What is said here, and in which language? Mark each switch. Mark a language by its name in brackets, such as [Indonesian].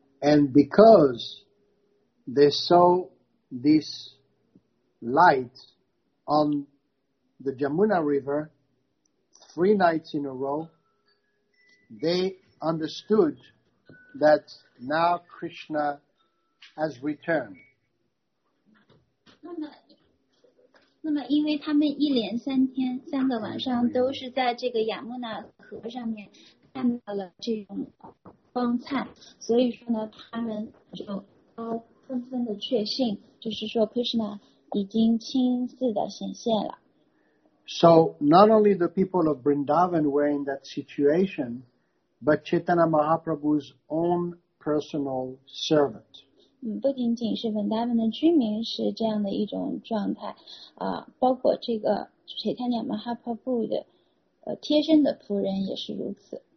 [English] And because they saw this light on the Jamuna River 3 nights in a row, they understood that now Krishna has returned. [Chinese] 那么因为他们一连三个晚上都是在这个亚穆纳河上面看到了这种光灿，所以说呢，他们就都纷纷的确信，就是说 Krishna已经亲自的显现了。 [English] So not only the people of Vrindavan were in that situation, but Chaitanya Mahaprabhu's own personal servant. [Chinese] 不仅仅是 Vrindavan 的居民是这样的一种状态，包括这个 Chaitanya Mahaprabhu 的贴身的仆人也是如此。